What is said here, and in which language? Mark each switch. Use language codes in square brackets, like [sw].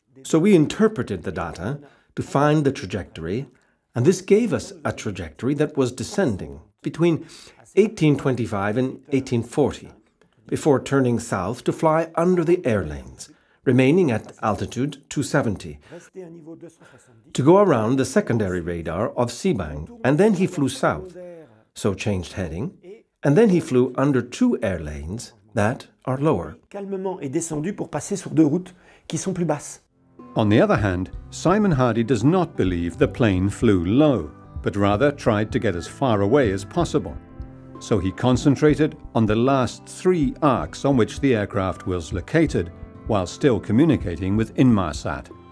[en] So we interpreted the data to find the trajectory, and this gave us a trajectory that was descending between 1825 and 1840, before turning south to fly under the air lanes, remaining at altitude 270, to go around the secondary radar of Sibang, and then he flew south, so changed heading, And then he flew under two air lanes that are lower. [fr] Calmement est descendu pour passer sur deux routes qui sont plus basses. [en] On the other hand, Simon Hardy does not believe the plane flew low, but rather tried to get as far away as possible. So he concentrated on the last three arcs on which the aircraft was located, while still communicating with Inmarsat.